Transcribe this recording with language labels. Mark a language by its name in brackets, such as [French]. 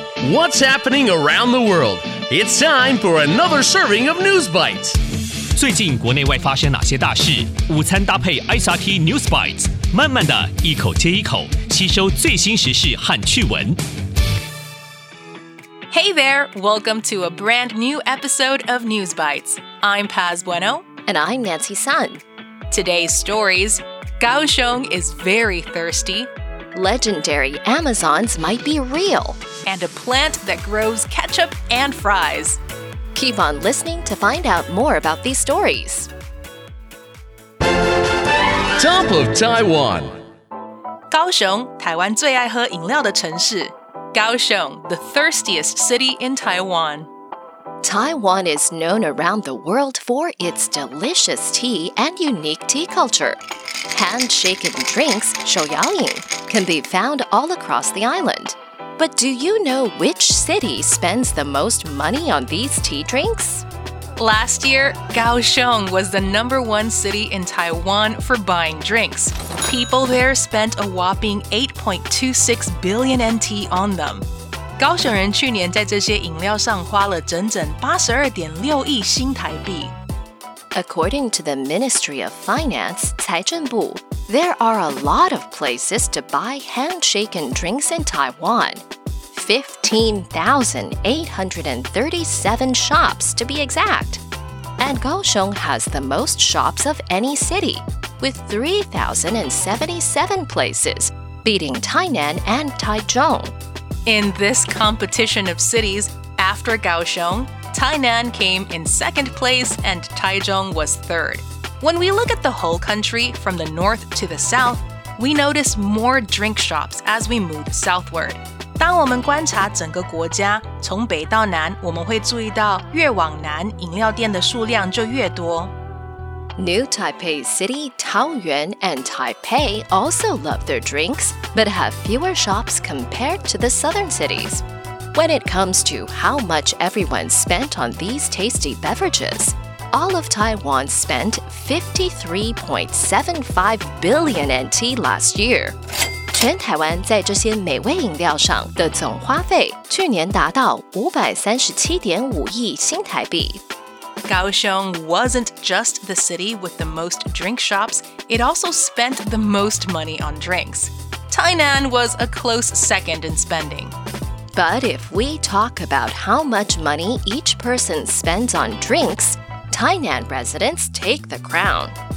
[English] What's happening around the world? It's time for another serving of News Bites. [Chinese] 最近国内外发生哪些大事？午餐搭配 SRT News Bites， 慢慢的一口接一口，吸收最新时事和趣闻。 [English] Hey there, welcome to a brand new episode of News Bites. I'm Paz Bueno. And I'm Nancy Sun. Today's stories, Kaohsiung is very thirsty. Legendary Amazons might be real. And a plant that grows ketchup and fries. Keep on listening to find out more about these stories. Top of Taiwan. [Chinese] Kaohsiung, 台湾最爱喝饮料的城市。 [English] Kaohsiung, the thirstiest city in Taiwan. Taiwan is known around the world for its delicious tea and unique tea culture. Hand-shaken drinks, shouyaoying, can be found all across the island. But do you know which city spends the most money on these tea drinks? Last year, Kaohsiung was the number one city in Taiwan for buying drinks. People there spent a whopping 8.26 billion NT on them. [Chinese] 高雄人去年在这些饮料上花了整整82.6亿新台币。 [English] According to the Ministry of Finance, 财政部, there are a lot of places to buy hand-shaken drinks in Taiwan. 15,837 shops, to be exact. And Kaohsiung has the most shops of any city. With 3,077 places, beating Tainan and Taichung. In this competition of cities, after Kaohsiung, Tainan came in second place and Taichung was third. When we look at the whole country from the north to the south, we notice more drink shops as we move southward. [Chinese] 当我们观察整个国家,从北到南,我们会注意到越往南,饮料店的数量就越多。 [English] New Taipei City, Taoyuan, and Taipei also love their drinks, but have fewer shops compared to the southern cities. When it comes to how much everyone spent on these tasty beverages, all of Taiwan spent 53.75 billion NT last year. [Chinese] 全台湾在这些美味饮料上的总花费去年达到 537.5 亿新台币。 [English] Kaohsiung wasn't just the city with the most drink shops, it also spent the most money on drinks. Tainan was a close second in spending. But if we talk about how much money each person spends on drinks, Tainan residents take the crown.